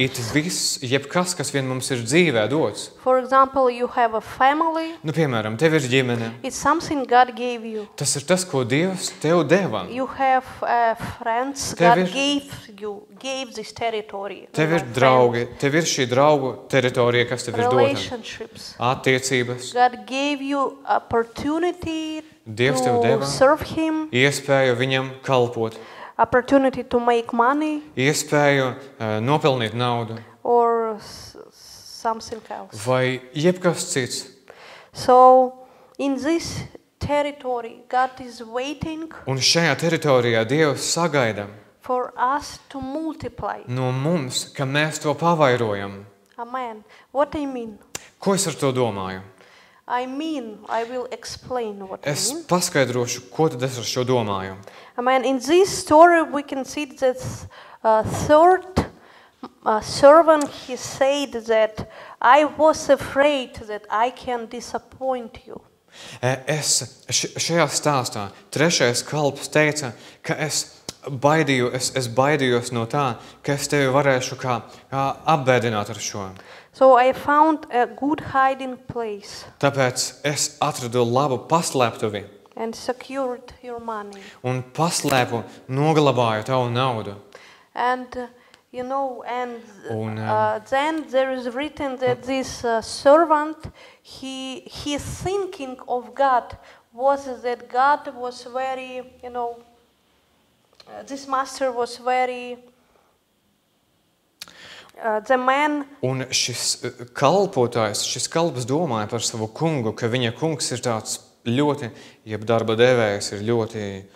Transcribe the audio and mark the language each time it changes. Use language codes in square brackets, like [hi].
[lv] Bet it viss, jebkas, kas vien mums ir dzīvē dots. [en] For example, you have a family. [lv] Nu, piemēram, tev ir ģimene. [en] It's something God gave you. [lv] Tas ir tas, ko Dievs tev deva. [en] You have friends [lv] tev ir... [en] God gave you. Gave this territory. [lv] Tev ir draugi, tev ir šī draugu teritorija, kas tev ir dota. Attiecības. [en] God gave you opportunity [lv] Dievs [en] to [lv] deva [en] serve him. [lv] Iespēju viņam kalpot. [en] Opportunity to make money. [lv] Iespēju nopelnīt naudu. [en] Or something else. [lv] Vai jebkas cits. [en] So in this territory God is waiting. [lv] Un šajā teritorijā Dievs sagaida. [en] For us to multiply. [lv] No mums, ka mēs to pavairojam. [en] Amen. What I mean? [lv] Ko es ar to domāju? [en] I mean, I will explain what [lv] es [en] I mean. [lv] Es paskaidrošu, ko tad es ar šo domāju. [en] Amen. In this story we can see that third servant he said that I was afraid that I can disappoint you. [lv] Es šajā stāstā trešais kalps teica, ka es Baidīju, es baidījos no tā, ka es tevi varēšu kā apbēdināt ar šo. [en] So I found a good hiding place. [lv] Tāpēc es atradu labu paslēptuvi. [en] And secured your money. [lv] Un paslēpu, noglabāju tavu naudu. [en] And You know, and then there is written that this servant, he thinking of God was that God was very, you know, this master was very, the man. [lv] Un šis kalpotājs, šis kalps domāja par savu kungu, ka viņa kungs ir tāds ļoti, jeb darba devējs ir ļoti...